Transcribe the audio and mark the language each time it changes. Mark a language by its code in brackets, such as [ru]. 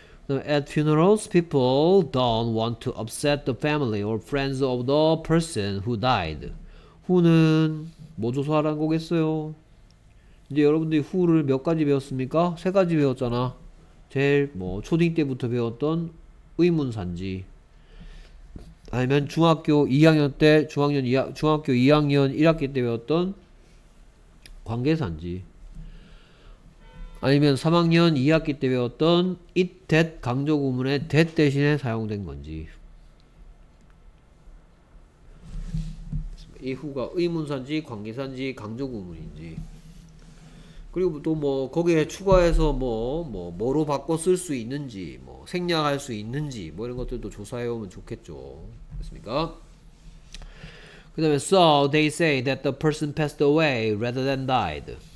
[en] At funerals, people don't want to upset the family or friends of the person who died. [ko] Who는 뭐 조사하라는 거겠어요? 이제 여러분들이 who를 몇 가지 배웠습니까? 세 가지 배웠잖아. 제일 뭐 초딩 때부터 배웠던 의문사인지. 아니면 중학교 2학년 때, 중학년 2학, 중학교 2학년 1학기 때 배웠던 관계사인지 아니면 3학년 2학기 때 배웠던 it, that 강조 구문의 that 대신에 사용된 건지 이 후가 의문사인지 관계사인지 강조 구문인지 그리고 또뭐 거기에 추가해서 뭐로 바꿔 쓸수 있는지 뭐 생략할 수 있는지 뭐 이런 것들도 조사해 오면 좋겠죠. 됐습니까? 그 다음에 [en] So they say that the person passed away rather than died.